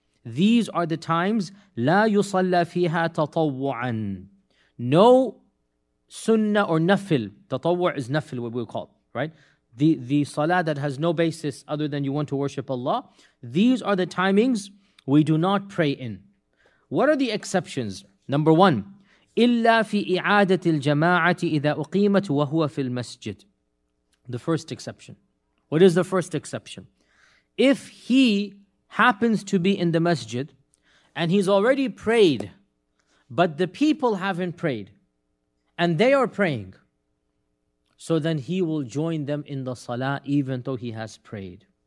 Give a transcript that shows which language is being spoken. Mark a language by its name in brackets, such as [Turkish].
[English] These are the times [Arabic] لا يصلى فيها تطوعا. [English] No sunnah or nafil. تطوع is nafil, what we call, right? The salah that has no basis other than you want to worship Allah. These are the timings we do not pray in. What are the exceptions? Number one, [Arabic] إِلَّا فِي إِعَادَةِ الْجَمَاعَةِ إِذَا أُقِيمَتْ وَهُوَ فِي الْمَسْجِدِ. [English] The first exception. What is the first exception? If he happens to be in the masjid and he's already prayed, but the people haven't prayed and they are praying, so then he will join them in the salah even though he has prayed.